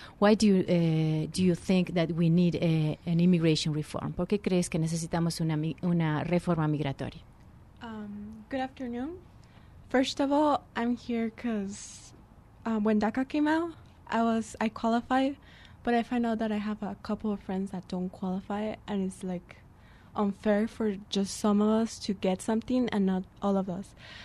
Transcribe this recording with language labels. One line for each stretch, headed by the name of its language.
English: Why do you think that we need an immigration reform?
Spanish: ¿Por qué crees que necesitamos una reforma migratoria?
English: Good afternoon. First of all, I'm here because when DACA came out, I qualified But I find out that I have a couple of friends that don't qualify, and it's like unfair for just some of us to get something and not all of us.